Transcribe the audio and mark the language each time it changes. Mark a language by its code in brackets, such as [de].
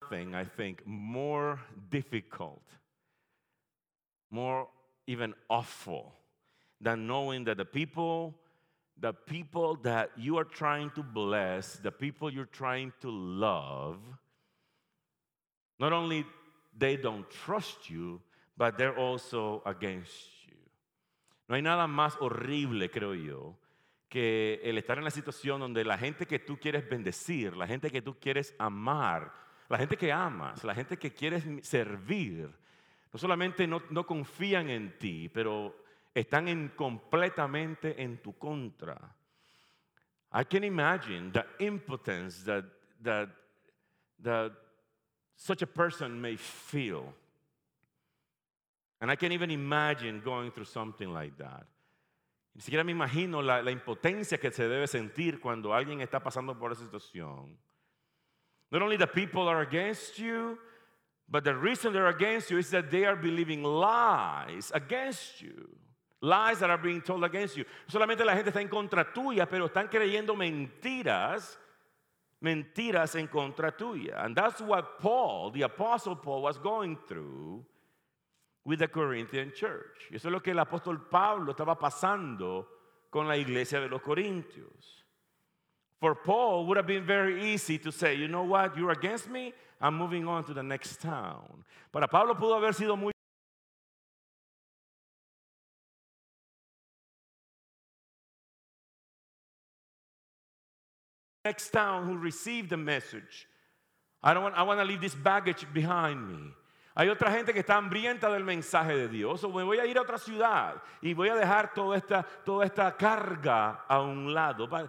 [en] nothing, I think, more difficult, more even awful than knowing that the people that you are trying to bless, the people you're trying to love, not only they don't trust you, but they're also against you. [es] No hay nada más horrible, creo yo, que el estar en la situación donde la gente que tú quieres bendecir, la gente que tú quieres amar, la gente que amas, la gente que quieres servir, no solamente no confían en ti, pero están completamente en tu contra. [en] I can imagine the impotence that such a person may feel. And I can't even imagine going through something like that. [es] Ni siquiera me imagino la impotencia que se debe sentir cuando alguien está pasando por esa situación. [en] Not only the people are against you, but the reason they're against you is that they are believing lies against you. Lies that are being told against you. [es] Solamente la gente está en contra tuya, pero están creyendo mentiras. Mentiras en contra tuya. [en] And that's what Paul, the Apostle Paul, was going through with the Corinthian church. [es] Y eso es lo que el apóstol Pablo estaba pasando con la iglesia de los Corintios. [en] For Paul, it would have been very easy to say, you know what, you're against me, I'm moving on to the next town. [es] Para Pablo pudo haber sido muy [en] next town who received the message. I want to leave this baggage behind me. [es] Hay otra gente que está hambrienta del mensaje de Dios. O me voy a ir a otra ciudad y voy a dejar toda esta carga a un lado.